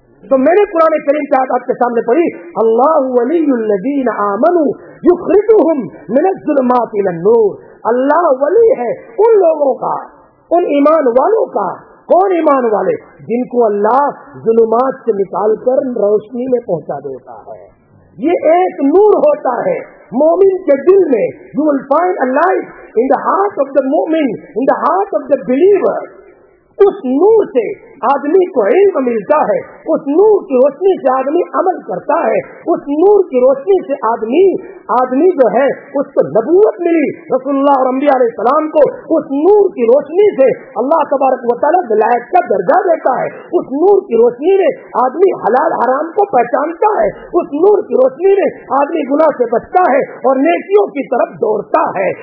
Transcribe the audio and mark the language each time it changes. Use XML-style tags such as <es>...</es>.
<ur>تو میں نے قرآن کریم کی آیت آپ کے سامنے پڑھی,</ur> <ar>اللہ ولی الذین آمنوا یخرجہم من الظلمات الی النور.</ar> <ur>اللہ ولی ہے ان لوگوں کا, ان ایمان والوں کا. کون ایمان والے؟ جن کو اللہ ظلمات سے نکال کر روشنی میں پہنچا دیتا ہے. یہ ایک نور ہوتا ہے مومن کے دل میں.</ur> <en>You will find a light in the heart of the مومن, in the heart of the believer.</en> <ur>اس نور سے آدمی کو علم ملتا ہے, اس نور کی روشنی سے آدمی عمل کرتا ہے, اس نور کی روشنی سے آدمی جو ہے اس کو نبوت ملی رسول اللہ اور انبیاء علیہ السلام کو, اس نور کی روشنی سے اللہ تبارک و تعالیٰ ولایت کا درجہ دیتا ہے, اس نور کی روشنی نے آدمی حلال حرام کو پہچانتا ہے, اس نور کی روشنی نے آدمی گناہ سے بچتا ہے اور نیکیوں کی طرف دوڑتا ہے.</ur>